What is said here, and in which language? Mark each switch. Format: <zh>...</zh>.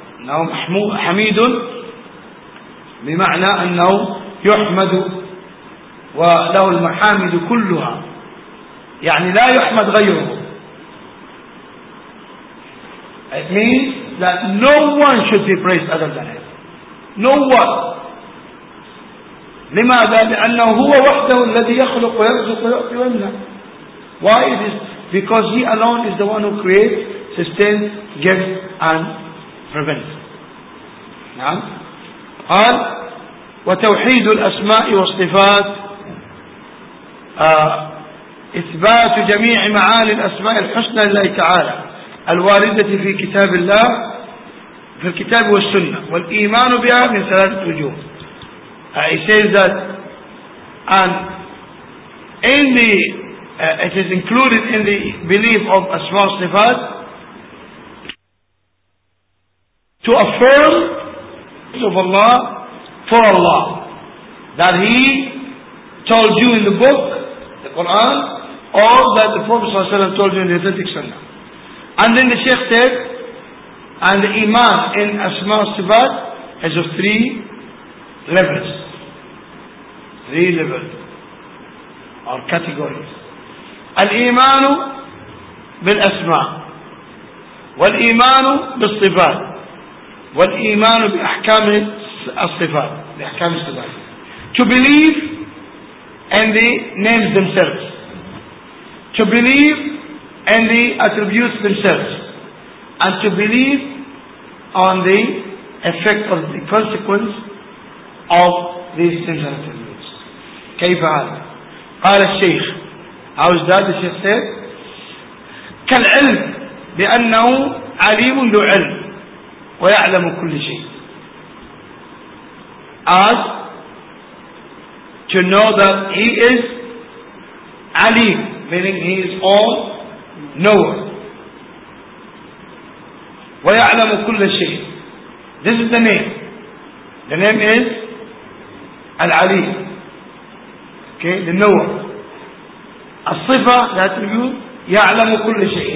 <ar>إنه حميد بمعنى أنه يحمد وله المحامد كلها. يعني لا يحمد غيره.</ar> <en>It means that no one should be praised other than him. No one.</en> <ar>لماذا؟ لأنه هو وحده الذي يخلق ويرزق ويعطي ويمنع.</ar> <en>Why it is? Because he alone is the one who creates, sustains, gives and prevents.</en> <ar>نعم. قال وتوحيد الأسماء والصفات إثبات جميع معاني الأسماء الحسنى لله تعالى الواردة في كتاب الله في الكتاب والسنة والإيمان بها من ثلاثة وجوه.</ar> <en>He says that, and in the it is included in the belief of Asma Sifat to affirm of Allah for Allah that He told you in the book, the Quran, or that the Prophet Sallallahu Alaihi Wasallam told you in the authentic Sunnah. And then the Shaykh said, and the Iman in Asma Sifat is of three levels. Three levels or categories.</en> <ar>الإيمان بالأسماء والإيمان بالصفات والإيمان بأحكام الصفات بأحكام الصفات.</ar> <en>To believe in the names themselves. To believe in the attributes themselves. And to believe on the effect or the consequence of these things and attributes.</en> <ar>كيف هذا؟ قال الشيخ.</ar> <en>How is that? The Shaykh said,</en> <ar>كالعلم بأنه عليم ذو علم ويعلم كل شيء.</ar> <en>As to know that he is Alim, meaning he is all knower.</en> <ar>ويعلم كل شيء.</ar> <en>This is the name. The name is العليم. Okay, the knower.</en> <ar>الصفة</ar> <en>that you</en> <ar>يعلم كل شيء.</ar>